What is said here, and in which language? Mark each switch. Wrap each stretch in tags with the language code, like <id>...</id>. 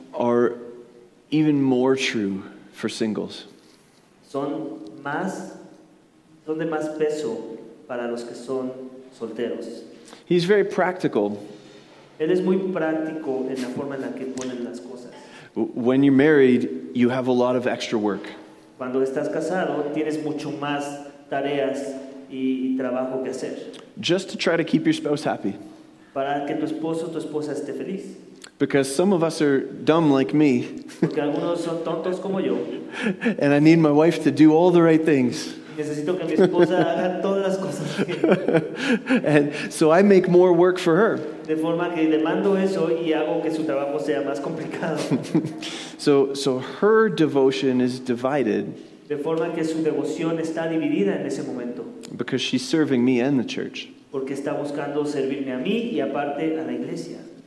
<en>are even more true for singles.</en> <es>Son de más peso para los que son solteros.</es> <en>He's very practical.</en> <es>Él es muy práctico en la forma en la que ponen las cosas.</es> <en>When you're married, you have a lot of extra work.</en> <es>Cuando estás casado, tienes mucho más tareas y trabajo que hacer.</es> <en>Just to try to keep your spouse happy.</en> <es>Para que tu esposo o tu esposa esté feliz.</es> <en>Because some of us are dumb like me.</en> <es>Porque algunos son tontos como yo.</es> <en>And I need my wife to do all the right things.</en> <es>Necesito que mi esposa haga todas las cosas.</es> <en>And so I make more work for her.</en> <es>De forma que demando eso y hago que su trabajo sea más complicado.</es> <en>So her devotion is divided.</en> <es>De forma que su devoción está dividida en ese momento.</es> <en>Because she's serving me and the church.</en> <es>Porque está buscando servirme a mí y aparte a la iglesia.</es>